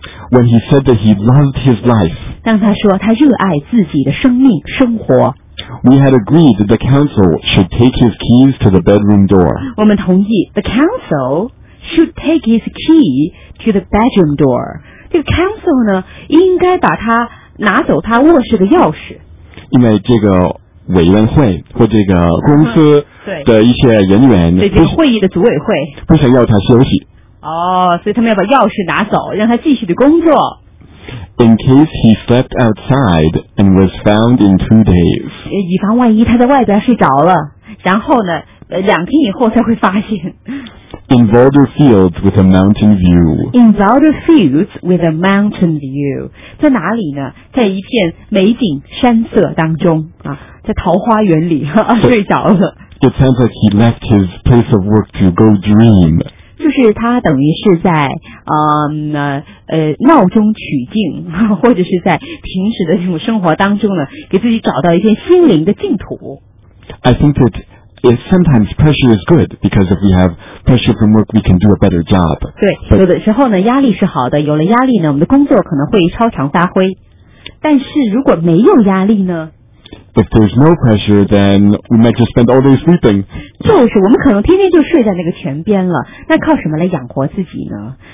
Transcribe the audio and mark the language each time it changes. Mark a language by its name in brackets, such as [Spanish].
[English] When he said that he loved his life. [Chinese] 当他说他热爱自己的生命生活。 [English] We had agreed that the council should take his keys to the bedroom door. [Chinese] 我们同意 [English] the council should take his key to the bedroom door. [Chinese] 这个 council 呢，应该把他拿走他卧室的钥匙。因为这个委员会或这个公司的一些人员对会议的组委会不想要他休息所以他们要把钥匙拿走让他继续的工作 [English] in case he slept outside and was found in 2 days [Chinese] 以防万一他在外边睡着了然后呢两天以后才会发现 [English] in Boulder Fields with a mountain view in Boulder Fields with a mountain view [Chinese] 在哪里呢在一片美景山色当中啊在桃花源里睡着了 [English] It sounds like he left his place of work to go dream [Chinese] 就是它等于是在闹中取静，或者是在平时的这种生活当中呢，给自己找到一些心灵的净土。 [English] I think that it's sometimes pressure is good because if we have pressure from work, we can do a better job. [Chinese] 对， [English] but, [Chinese] 有的时候呢，压力是好的，有了压力呢，我们的工作可能会超常发挥。但是如果没有压力呢？ [English] If there's no pressure, then we might just spend all day sleeping. [Chinese] 就是我们可能天天就睡在那个泉边了，那靠什么来养活自己呢？